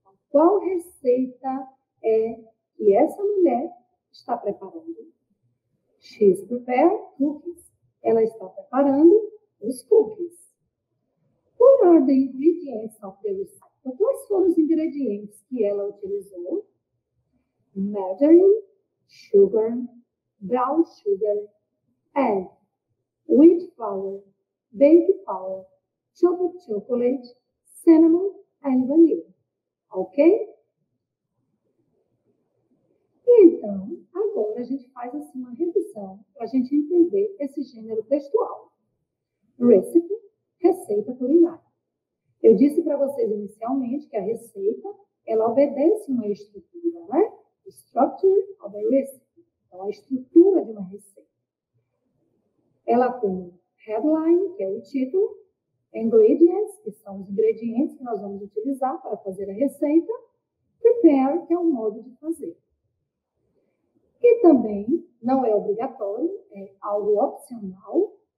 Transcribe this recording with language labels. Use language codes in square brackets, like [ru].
[pt] Qual receita é que essa mulher está preparando? [en] She's prepared cookies. [pt] Ela está preparando os cookies. [en] What are the ingredients of the recipe? [pt] Quais foram os ingredientes que ela utilizou? [en] Margarine, sugar, brown sugar, egg, wheat flour, baking powder, chocolate, cinnamon, and vanilla. Ok? [pt] E então, agora a gente faz assim uma revisão para a gente entender esse gênero textual. Recipe, receita culinária. Eu disse para vocês inicialmente que a receita, ela obedece uma estrutura, né? [en] The structure of a recipe. [pt] Então, a estrutura de uma receita. Ela tem headline, que é o título, ingredients, que são os ingredientes que nós vamos utilizar para fazer a receita, prepare, que é o modo de fazer. E também, não é obrigatório, é algo opcional.